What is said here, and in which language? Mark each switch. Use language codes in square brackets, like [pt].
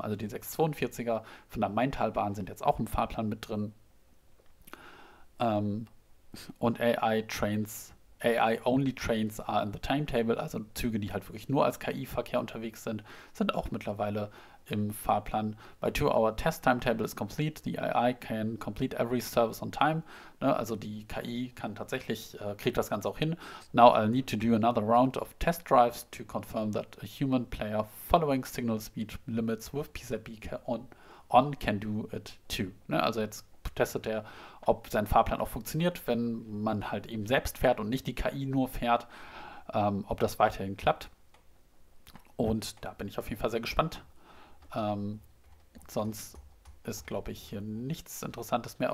[de] Also die 642er von der Maintalbahn sind jetzt auch im Fahrplan mit drin. Und [en] AI-only Trains are in the timetable, [de] also Züge, die halt wirklich nur als KI-Verkehr unterwegs sind, sind auch mittlerweile im Fahrplan. [en] By 2-Hour-Test-Timetable is complete, the AI can complete every service on time. [de] Ne, also die KI kann tatsächlich, kriegt das Ganze auch hin. [en] Now I'll need to do another round of test drives to confirm that a human player following signal speed limits with PZB on can do it too. [de] Ne, also jetzt testet er, ob sein Fahrplan auch funktioniert, wenn man halt eben selbst fährt und nicht die KI nur fährt, ob das weiterhin klappt. Und da bin ich auf jeden Fall sehr gespannt. Sonst ist, glaube ich, hier nichts Interessantes mehr.